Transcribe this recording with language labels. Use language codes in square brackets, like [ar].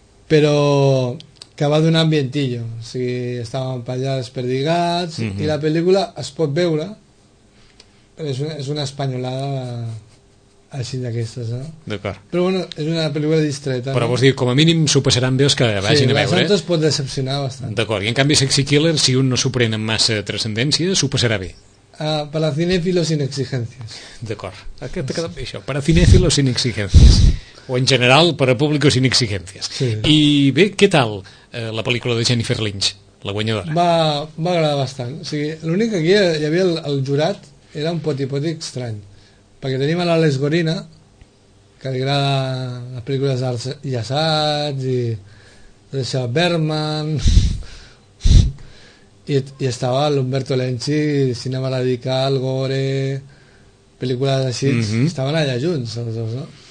[ca] Però que va donar ambientillo, o sigui, estàvem per allà desperdigats, i la pel·lícula es pot veure, però és una espanyolada així d'aquestes, no? D'acord. Però bueno, és una pel·lícula distreta. Però no? Vols dir, com a mínim s'ho passaran bé els que vagin sí, a veure. Sí, l'Assanto es pot decepcionar bastant. D'acord, i en canvi Sexy Killer, si un no s'ho pren amb massa transcendència, s'ho passarà bé. [es] Para cinéfilos sin exigencias. [ca] D'acord, aquest ha quedat bé, això. [es] Para cinéfilos sin exigencias. O en general, para públicos sin exigencias. [ca] Sí. I bé, què tal la pel·lícula de Jennifer Lynch, la guanyadora? Va agradar bastant. O sigui, l'únic que aquí hi havia el jurat era un poti-poti estrany. Perquè tenim a l'Àlex Gorina, que li agrada les pel·lícules d'arts i assaig, i Richard Berman, i estava l'Humberto Lenci, Cinema Radical, Gore, pel·lícules així, estaven allà junts, els dos, no?